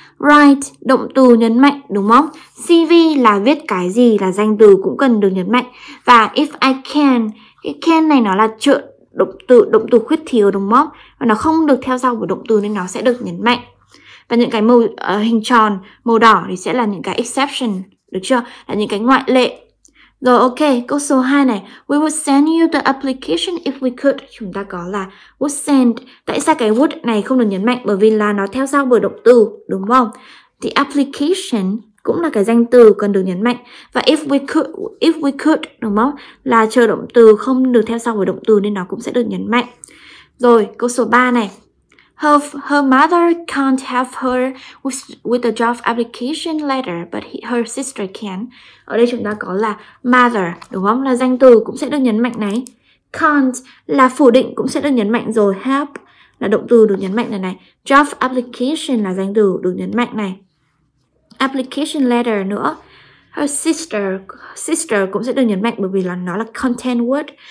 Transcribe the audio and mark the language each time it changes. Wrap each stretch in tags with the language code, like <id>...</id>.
<vi>Write, động từ nhấn mạnh, đúng không? CV là viết cái gì, là danh từ cũng cần được nhấn mạnh. Và</vi> <en>if I can,</en> <vi>cái can này nó là trợ động từ khuyết thiếu, đúng không? Và nó không được theo sau của động từ nên nó sẽ được nhấn mạnh. Và những cái hình tròn, màu đỏ thì sẽ là những cái exception, được chưa? Là những cái ngoại lệ. Rồi ok, câu số 2 này.</vi> <en>We would send you the application if we could.</en> <vi>Chúng ta có là would send. Tại sao cái would này không được nhấn mạnh? Bởi vì là nó theo sau bởi động từ, đúng không? The application cũng là cái danh từ cần được nhấn mạnh. Và</vi> <en>if we could,</en> <vi>đúng không? Là chờ động từ không được theo sau bởi động từ nên nó cũng sẽ được nhấn mạnh. Rồi, câu số 3 này.</vi> <en>Her mother can't help her with the job application letter, but her sister can.</en> <vi>Ở đây chúng ta có là mother, đúng không? Là danh từ cũng sẽ được nhấn mạnh này. Can't là phủ định cũng sẽ được nhấn mạnh rồi. Help là động từ được nhấn mạnh này. Job application là danh từ được nhấn mạnh này. Application letter nữa. Her sister cũng sẽ được nhấn mạnh bởi vì là nó là content word.</vi>